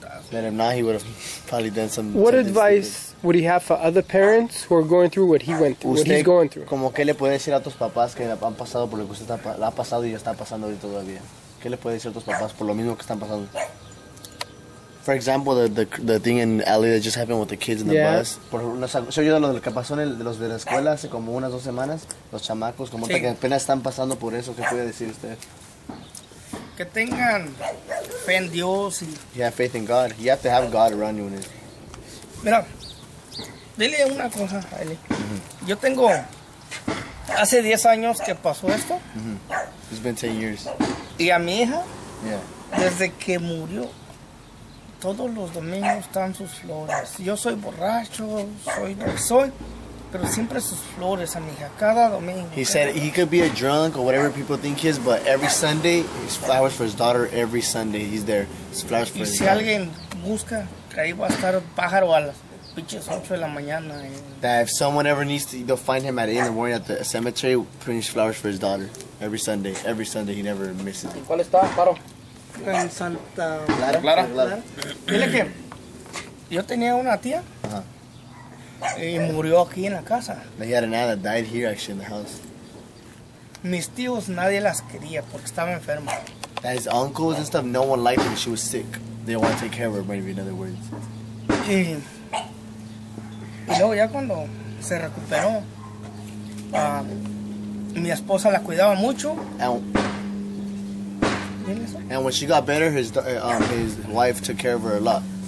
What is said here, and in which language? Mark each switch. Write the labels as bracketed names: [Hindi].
[English] Let him not, he would have probably done some. What advice would he have for other parents who are going through what he went through, what he's going through? [Spanish] Como que le puede decir a tus papás que han pasado por lo que usted está, ha pasado y está pasando ahorita todavía. ¿Qué le puede decir a tus papás por lo mismo que están pasando? [English] For example, the thing in LA that just happened with the kids in the bus. [Spanish] Por una, se oyó lo que pasó en los de la escuela hace como unas 2 semanas. Los chamacos, como que apenas están pasando por eso. ¿Qué puede decir usted? Que tengan fe en Dios. [English] Yeah, faith in God. You have to have God around you. [Spanish] Mira, dile una cosa, Eli. Yo tengo, hace 10 años que pasó esto. [English] It's been 10 years. [Spanish] Y a mi hija, [English] yeah. [Spanish] Desde que murió. Todos los domingos están sus flores. Yo soy borracho, soy lo que soy, pero siempre sus flores a mi hija, cada domingo. [English] He said he could be a drunk or whatever people think he is, but every Sunday, his flowers for his daughter, every Sunday, he's there. His flowers for [Spanish] y [English] his [Spanish] si [English] daughter. [Spanish] Alguien busca, que ahí va a estar Pájaro a las pinches 8 de la mañana. [English] That if someone ever needs to, they'll find him at 8 in the morning at the cemetery, putting his flowers for his daughter. Every Sunday, he never misses it. [Spanish] ¿Cuál está, Pájaro? En Santa Clara. Dile que yo tenía una tía y murió aquí en la casa. [English] He had an aunt that died here actually in the house. [Spanish] Mis tíos nadie las quería porque estaba enferma. [English] That his uncles and stuff, no one liked her. She was sick. They didn't want to take care of her, maybe in other words. [Spanish] Y luego ya cuando se recuperó, mi esposa la cuidaba mucho. [English] And when she got better, his wife took care of her a lot.